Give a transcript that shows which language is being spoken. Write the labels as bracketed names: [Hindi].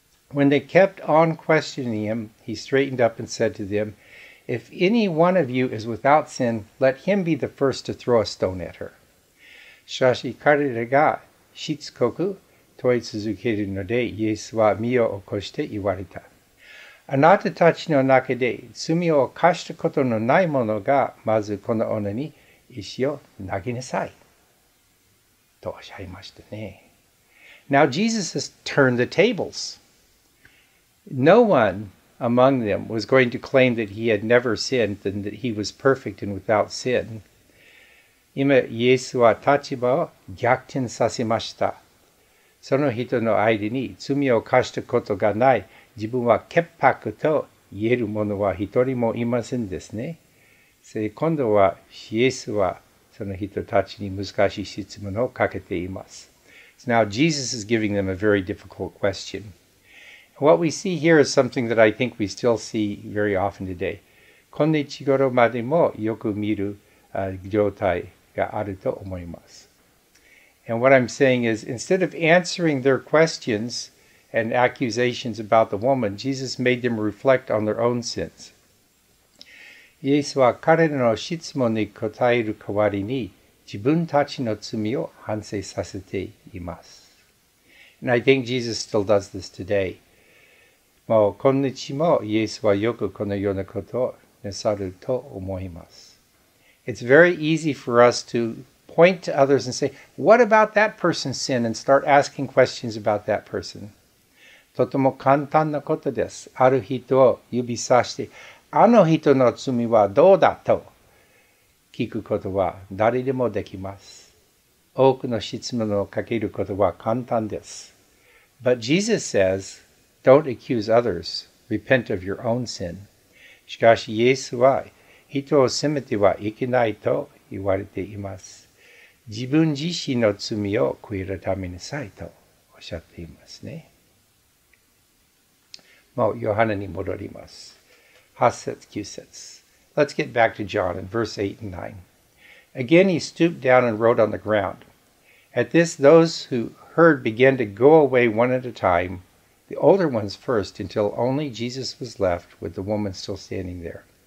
[English] When they kept on questioning him, he straightened up and said to them, If any one of you is without sin, let him be the first to throw a stone at her. [Japanese] しかし彼らがしつこく問い続けるので、イエスは身を起こして言われた。あなたたちの中で罪を犯したことのない者がまずこの女に石を投げなさい。とおっしゃいましたね。 [English] Now Jesus has turned the tables. No one among them was going to claim that he had never sinned and that he was perfect and without sin. [Japanese] 今イエスは立場を逆転させました。その人の間に罪を犯したことがない。自分は潔白と言えるものは一人もいませんですね。今度はイエスはその人たちに難しい質問をかけています。 [English] So now Jesus is giving them a very difficult question. What we see here is something that I think we still see very often today. [Japanese] 今日頃までもよく見る状態があると思います。 [English] And what I'm saying is, instead of answering their questions,and accusations about the woman, Jesus made them reflect on their own sins. [Japanese] イエスは彼らの質問に答える代わりに自分たちの罪を反省させています。 [English] And I think Jesus still does this today. [Japanese] もう今日もイエスはよくこのようなことをなさると思います。 [English] It's very easy for us to point to others and say, what about that person's sin? And start asking questions about that person. [Japanese] とても簡単なことです。ある人を指さして、あの人の罪はどうだと聞くことは誰でもできます。多くの質問をかけることは簡単です。 [English] But Jesus says, don't accuse others, repent of your own sin. [Japanese] しかしイエスは、人を責めてはいけないと言われています。自分自身の罪を悔い改めなさいとおっしゃっていますね。もうヨハネに戻ります。 8節、9節。 [English] Let's get back to John in verse 8 and 9. Again he stooped down and wrote on the ground. At this those who heard began to go away one at a time, the older ones first, until only Jesus was left with the woman still standing there.